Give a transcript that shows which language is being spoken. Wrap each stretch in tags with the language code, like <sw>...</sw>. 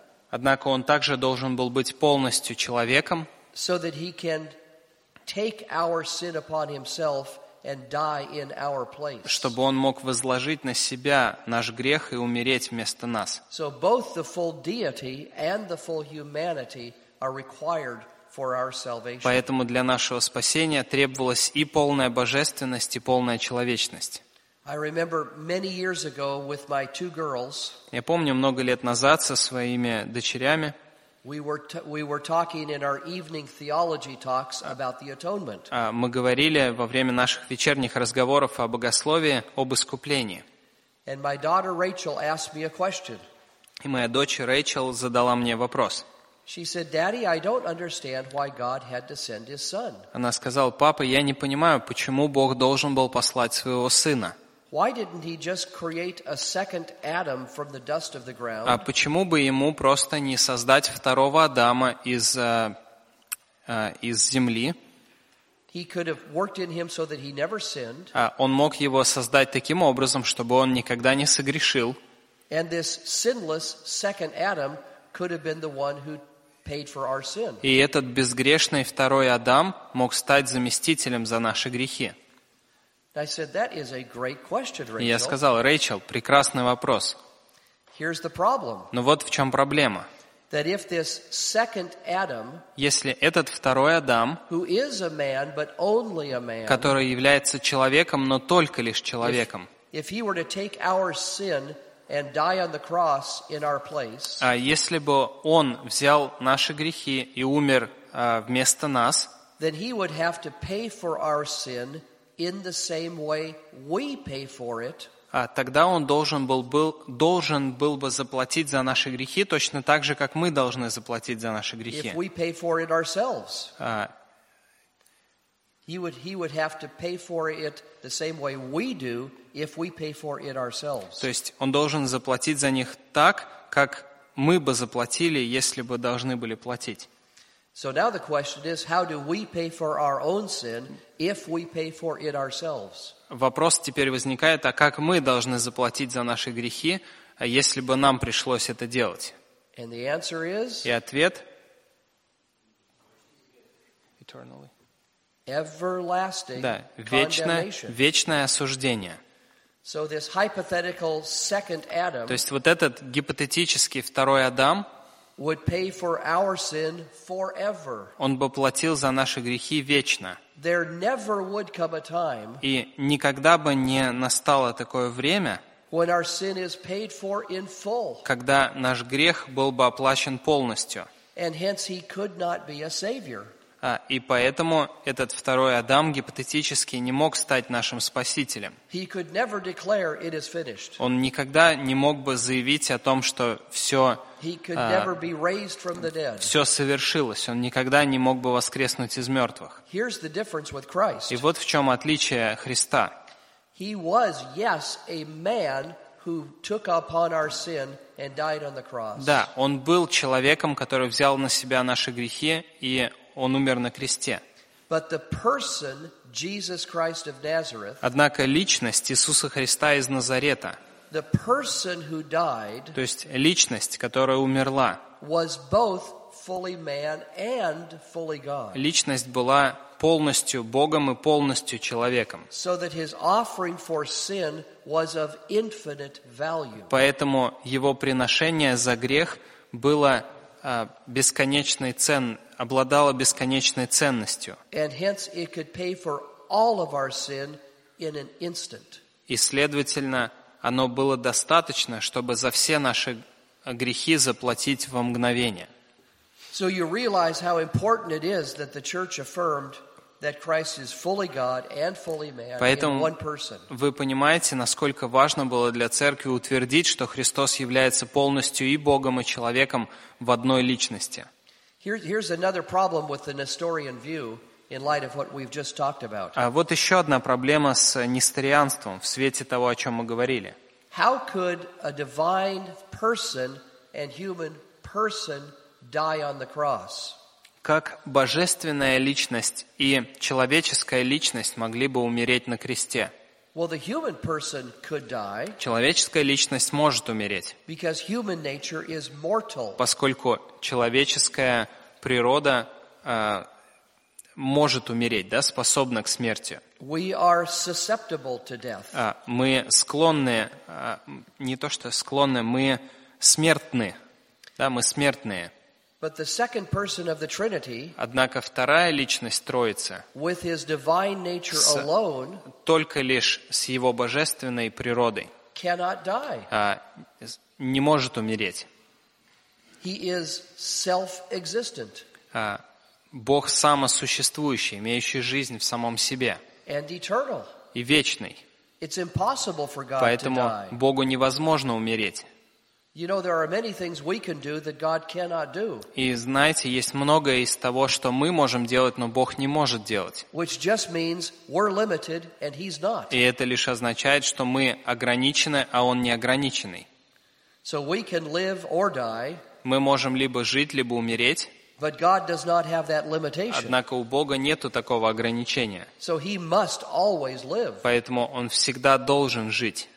<ru>Однако он также должен был быть полностью человеком,</ru> <en>so that he can take our sin upon himself and die in our place.</en> <ru>Чтобы он мог возложить на себя наш грех и умереть вместо нас.</ru> <en>So both the full deity and the full humanity are required for our salvation.</en> <ru>Поэтому для нашего спасения требовалась и полная божественность, и полная человечность.</ru> <en>I remember many years ago with my two girls.</en> <ru>Я помню много лет назад со своими дочерями.</ru> <en>We were talking in our evening theology talks about the atonement.</en> <ru>Мы говорили во время наших вечерних разговоров о богословии, об искуплении.</ru> <en>And my daughter Rachel asked me a question.</en> <ru>И моя дочь Рэйчел задала мне вопрос.</ru> <en>She said, "Daddy, I don't understand why God had to send His Son."</en> <ru>Она сказала: "Папа, я не понимаю, почему Бог должен был послать своего сына."</ru> <en>Why didn't He just create a second Adam from the dust of the ground?</en> <ru>А почему бы ему просто не создать второго Адама из земли?</ru> <en>He could have worked in him so that he never sinned.</en> <ru>А он мог его создать таким образом, чтобы он никогда не согрешил.</ru> <en>And this sinless second Adam could have been the one who paid for our sin.</en> <ru>И этот безгрешный второй Адам мог стать заместителем за наши грехи.</ru> <en>I said, "That is a great question, Rachel."</en> <ru>И я сказал: "Рэйчел, прекрасный вопрос."</ru> <en>Here's the problem.</en> <ru>Но вот в чем проблема.</ru> <en>That if this second Adam,</en> <ru>если этот второй Адам,</ru> <en>who is a man, but only a man,</en> <ru>который является человеком, но только лишь человеком,</ru> <en>if he were to take our sin and die on the cross in our place.</en> <ru>А если бы он взял наши грехи и умер вместо нас,</ru> <en>then he would have to pay for our sin in the same way we pay for it.</en> <ru>А тогда он должен был бы заплатить за наши грехи точно так же, как мы должны заплатить за наши грехи.</ru> <en>If we pay for it ourselves. He would have to pay for it the same way we do if we pay for it ourselves.</en> <ru>То есть он должен заплатить за них так, как мы бы заплатили, если бы должны были платить.</ru> <en>So now the question is, how do we pay for our own sin if we pay for it ourselves?</en> <ru>Вопрос теперь возникает: а как мы должны заплатить за наши грехи, если бы нам пришлось это делать?</ru> <en>And the answer is</en> <ru>И ответ</ru> <en>eternally. everlasting</en> <ru>вечное осуждение.</ru> <en>So this hypothetical second Adam,</en> <ru>то есть вот этот гипотетический второй Адам,</ru> <en>would pay for our sin forever.</en> <ru>Он бы платил за наши грехи вечно.</ru> <en>There never would come a time,</en> <ru>и никогда бы не настало такое время,</ru> <en>when our sin is paid for in full.</en> <ru>Когда наш грех был бы оплачен полностью.</ru> <en>And hence he could not be a savior.</en> <ru>И поэтому этот второй Адам гипотетически не мог стать нашим спасителем.</ru> <en>He could never declare it is finished.</en> <ru>Он никогда не мог бы заявить о том, что все,</ru> <en>he could never be raised from the dead.</en> <ru>Все совершилось. Он никогда не мог бы воскреснуть из мертвых.</ru> <en>Here's the difference with Christ.</en> <ru>И вот в чем отличие Христа.</ru> <en>He was, yes, a man who took upon our sin and died on the cross.</en> <ru>Да, он был человеком, который взял на себя наши грехи, и он умер на кресте.</ru> <en>But the person, Jesus Christ of Nazareth,</en> <ru>однако личность Иисуса Христа из Назарета,</ru> <en>the person who died,</en> <ru>то есть личность, которая умерла,</ru> <en>was both fully man and fully God.</en> <ru>Личность была полностью Богом и полностью человеком.</ru> <en>So that his offering for sin was of infinite value.</en> <ru>Поэтому его приношение за грех было бесконечной обладало бесконечной ценностью.</ru> <en>And hence it could pay for all of our sin in an instant.</en> <ru>И следовательно, оно было достаточно, чтобы за все наши грехи заплатить во мгновение.</ru> <en>So you realize how important it is that the church affirmed that Christ is fully God and fully man in one person.</en> <ru>Вы понимаете, насколько важно было для церкви утвердить, что Христос является полностью и Богом, и человеком в одной личности.</ru> <en>Here's another problem with the Nestorian view in light of what we've just talked about.</en> <ru>А вот еще одна проблема с несторианством в свете того, о чем мы говорили.</ru> <en>How could a divine person and human person die on the cross?</en> <ru>Как божественная личность и человеческая личность могли бы умереть на кресте?</ru> <en>Well, the human person could die.</en> <ru>Человеческая личность может умереть.</ru> <en>Because human nature is mortal.</en> <ru>Поскольку человеческая природа может умереть, да, способна к смерти.</ru> <en>We are susceptible to death.</en> <ru>Мы склонны, не то что склонны, мы смертны, да, мы смертные.</ru> <en>But the second person of the Trinity,</en> <ru>однако вторая личность Троицы,</ru> <en>with his divine nature alone,</en> <ru>только лишь с его божественной природой,</ru> <en>cannot die.</en> <ru>Не может умереть.</ru> <en>He is self-existent.</en> <ru>Бог самосуществующий, имеющий жизнь в самом себе.</ru> <en>And eternal.</en> <ru>И вечный.</ru> <en>It's impossible for God</en> <ru>Поэтому</ru> <en>to die.</en> <ru>Поэтому Богу невозможно умереть.</ru> <en>You know, there are many things we can do that God cannot do.</en> <ru>И знаете, есть многое из того, что мы можем делать, но Бог не может делать.</ru> <en>Which just means we're limited and he's not.</en> <ru>И это лишь означает, что мы ограничены, а он не ограниченный.</ru> <en>So we can live or die.</en> <ru>Мы можем либо жить, либо умереть.</ru> <en>But God does not have that limitation.</en> <ru>Однако у Бога нету такого ограничения.</ru> <en>So he must always live.</en> <ru>Поэтому он всегда должен жить.</ru>